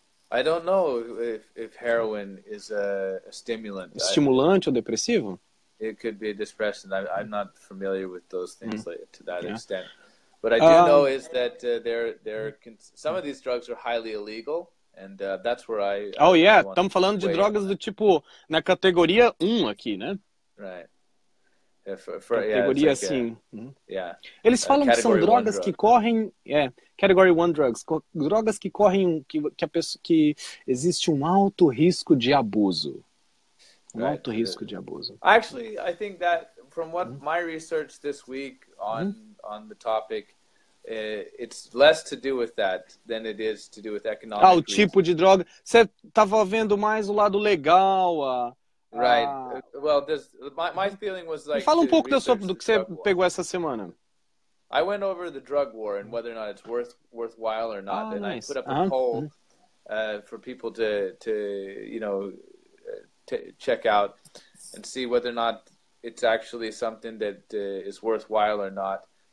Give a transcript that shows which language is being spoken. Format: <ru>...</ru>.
<en>I don't know if heroin is a stimulant.</en> <pt>Estimulante ou depressivo?</pt> <en>It could be a depressant. I'm not familiar with those things like, to that extent. What I do know is that some of these drugs are highly illegal, and that's where I... Oh, yeah,</en> <pt>estamos falando de drogas do tipo na categoria 1 aqui, né?</pt> <en>Right.</en> <pt>Categoria assim.</pt> <en>Yeah.</en> <pt>Eles falam que são drogas que correm. É,</pt> <en>Category 1 drugs.</en> <pt>Drogas que correm. Que existe um alto risco de abuso. Alto risco de abuso.</pt> <en>Actually, I think that from what my research this week on the topic, it's less to do with that than it is to do with economic.</en> <pt>Ah, o tipo de droga. Você estava vendo mais o lado legal, a.</pt> <en>Right. Well, my feeling was like.</en> <pt>Fala um pouco do que você pegou essa semana.</pt> <en>I went over the drug war and whether or not it's worthwhile or not, and nice. I put up uh-huh. a poll for people to you know check out and see whether or not it's actually something that is worthwhile or not.</en>